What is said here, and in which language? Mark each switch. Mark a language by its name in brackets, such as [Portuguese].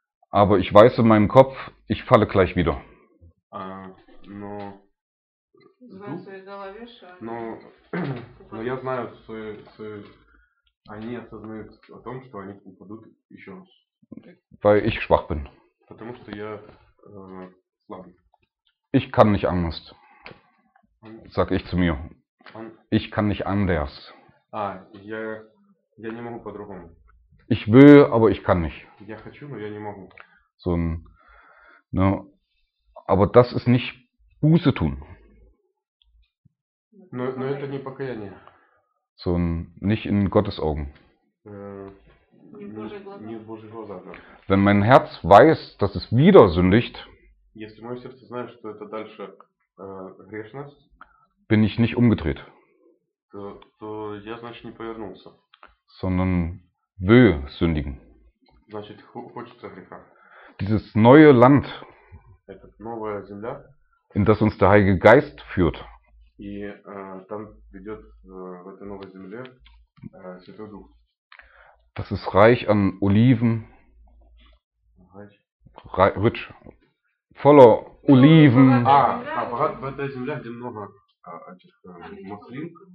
[German] Aber ich weiß in meinem Kopf, ich falle gleich wieder. [Russian] Но в своей голове, что? Но, но я знаю, что они осознают о том, что они упадут еще раз. [German] Weil ich schwach bin. [Russian] Потому что я слабый. [German] Ich kann nicht anders. Sag ich zu mir. Ich kann nicht anders. [Russian] Я не могу по-другому. [German] Ich will, aber ich kann nicht. [Russian] Я хочу, но я не могу. [German] So ein, ne, aber das ist nicht Buße tun. [Russian] Но это не покаяние. [German] So ein, nicht in Gottes Augen. [Russian] Не в Божьих глазах. [German] Wenn mein Herz weiß, dass es wieder sündigt, [Russian] если мое сердце знает, что это дальше грешность, [German] bin ich nicht umgedreht. [Russian] То я, значит, не повернулся. [German] Sondern will sündigen. [Russian] Значит, хочется греха. [German] Dieses neue Land, [Russian] это новая земля, [German] in das uns der Heilige Geist führt, [Russian] и там ведет в этой новой земле Святой Дух. [German] Das ist reich an Oliven. Rich. Voller Oliven. [Russian] В этой земле, где много этих маслин.